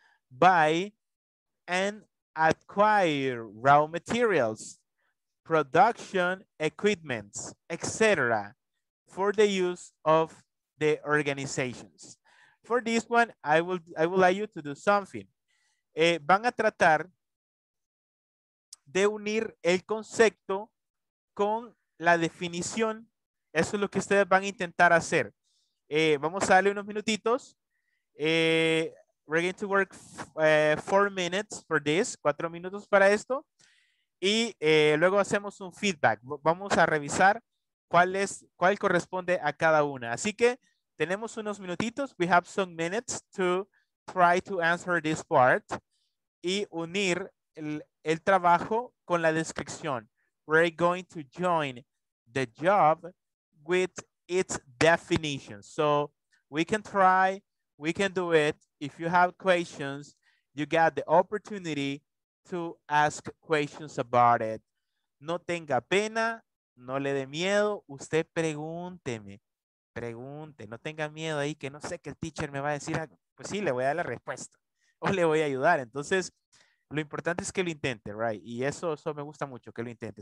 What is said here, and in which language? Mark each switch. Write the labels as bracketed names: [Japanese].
[English] Buy and acquire raw materials, production equipment, etc. for the use of the organizations. For this one, I will like you to do something. [Spanish] Van a tratar de unir el concepto con la definición. Eso es lo que ustedes van a intentar hacer. Vamos a darle unos minutitos. [English] We're going to work 4 minutes for this, [Spanish] 4 minutos para esto. Y luego hacemos un feedback. Vamos a revisar cuál corresponde a cada una. Así que tenemos unos minutitos. [English] We have some minutes to try to answer this part [Spanish] y unir el trabajo con la descripción. [English] We're going to join the job with its definition. So we can try, we can do it. If you have questions, you got the opportunity to ask questions about it. [Spanish] No tenga pena, no le dé miedo, usted pregúnteme, pregunte, no tenga miedo ahí que no sé qué el teacher me va a decir, pues sí, le voy a dar la respuesta o le voy a ayudar. Entonces, lo importante es que lo intente, right? Y eso me gusta mucho, que lo intente.